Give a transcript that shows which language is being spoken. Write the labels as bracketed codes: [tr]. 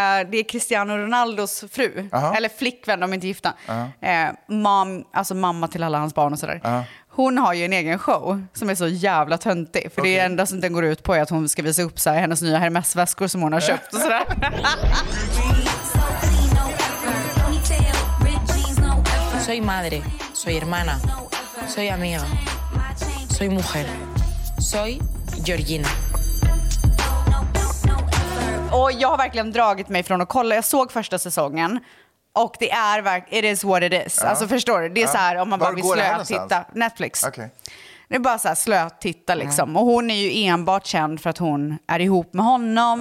[sv] Det är Cristiano Ronaldos fru. Uh-huh. Eller flickvän, de är inte gifta. Uh-huh. Alltså mamma till alla hans barn och sådär. Uh-huh. Hon har ju en egen show som är så jävla töntig. För okay. Det enda som den går ut på är att hon ska visa upp så här, hennes nya Hermes-väskor som hon har köpt och sådär. [es] Soy madre, soy hermana, soy amiga, soy mujer, soy Georgina. [sv] Och jag har verkligen dragit mig från att kolla. Jag såg första säsongen och det är verkligen, [en] it is what it is. [sv] Ja. Alltså förstår du? Det är så här, om man bara vill slöt titta. Netflix. Okay. Det är bara så här slöt titta liksom. Ja. Och hon är ju enbart känd för att hon är ihop med honom.